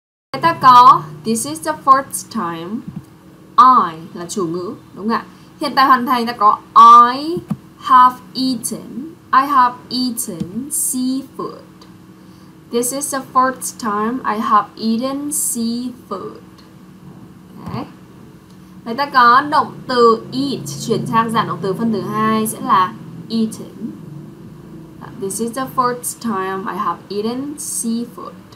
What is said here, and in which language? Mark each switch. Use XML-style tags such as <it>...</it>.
<vi>Ta có</vi> <en>this is the first time I</en> <vi>là chủ ngữ, đúng không ạ? Hiện tại hoàn thành ta có</vi> <en>I have eaten seafood. This is the first time I have eaten seafood. Okay.</en> <vi>Vậy ta có động từ eat chuyển sang dạng động từ phân từ 2 sẽ là eaten.</vi> <en>This is the first time I have eaten seafood.</en>